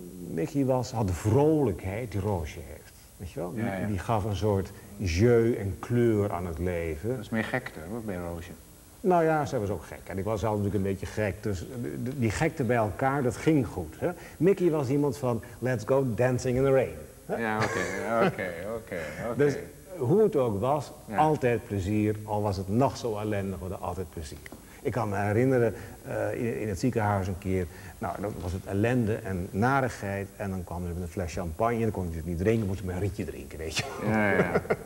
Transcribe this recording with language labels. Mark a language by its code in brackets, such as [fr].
[nl] Mickey had de vrolijkheid die Roosje heeft, weet je wel? Ja, ja. Die gaf een soort jeu en kleur aan het leven. Dat is meer gekte, hoor, bij Roosje. Nou ja, ze was ook gek. En ik was zelf natuurlijk een beetje gek. Dus die gekte bij elkaar, dat ging goed. Hè? Mickey was iemand van, [en] let's go dancing in the rain. [nl] Ja, oké. Dus hoe het ook was, ja. altijd plezier, al was het nog zo ellendig, hadden altijd plezier. Ik kan me herinneren in het ziekenhuis een keer, nou, dat was het ellende en narigheid. En dan kwam er met een fles champagne, dan kon ik het niet drinken, moest ik mijn rietje drinken, weet je. Ja, ja.